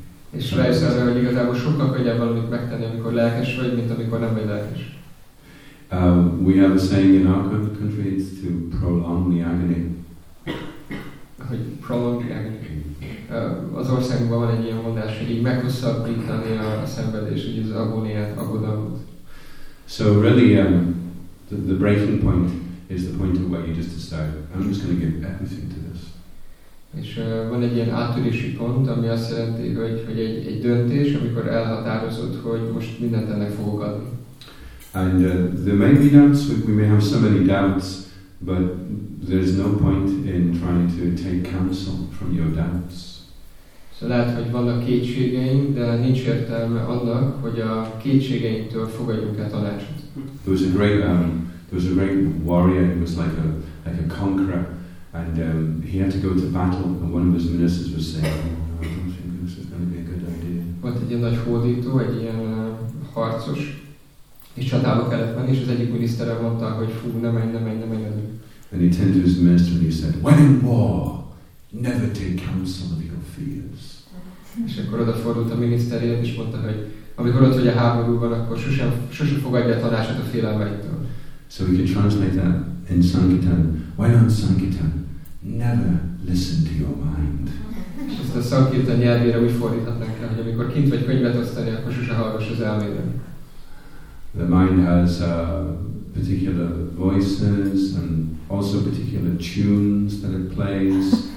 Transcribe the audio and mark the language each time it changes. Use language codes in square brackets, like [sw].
[hu] És rájössz arra, hogy igazából sokkal könnyebb valamit megtenni, amikor lelkes vagy, mint amikor nem vagy lelkes. [en] We have a saying in our country, it's to prolong the agony. Hogy prolong the agony. [hu] Az országunkban van egy ilyen mondás, hogy így meghosszabbítani a szenvedést, hogy az agóniát, agodalmat. [en] So really, the breaking point is the point of what you just decided. I'm just going to give everything to this. [hu] És van egy ilyen áttörési pont, ami azt jelenti, hogy egy döntés, amikor elhatározod, hogy most mindent ennek fogok adni. [en] And there may be doubts, we may have so many doubts, but there's no point in trying to take counsel from your doubts. [hu] So lehet, hogy vannak kétségeink, de nincs értelme annak, hogy a kétségeinktől fogadjunk el tanácsot. [en] There was a great warrior who was like a conqueror, and he had to go to battle, and one of his ministers was saying, oh, I don't think this is going to be a good idea. [hu] Volt egy nagy hódító, egy ilyen harcos, és csatába kellett menni, és az egyik minisztere mondta, hogy fú, ne menj. [en] And he turned to his minister and he said, when in war, never take counsel of your fears. [hu] És akkor odafordult a miniszteréhez, és mondta, hogy amikor ott vagy a háborúban, akkor sosem fogadja a tanácsot a félelmeidtől. [en] So we can translate that in Sankirtan. Why not Sankirtan? Never listen to your mind. [hu] Ezt a Sankirtan nyelvére úgy fordíthatnánk rá, hogy amikor kint vagy könyvet osztani, akkor sose hallgass az elmédre. [en] The mind has particular voices and also particular tunes that it plays.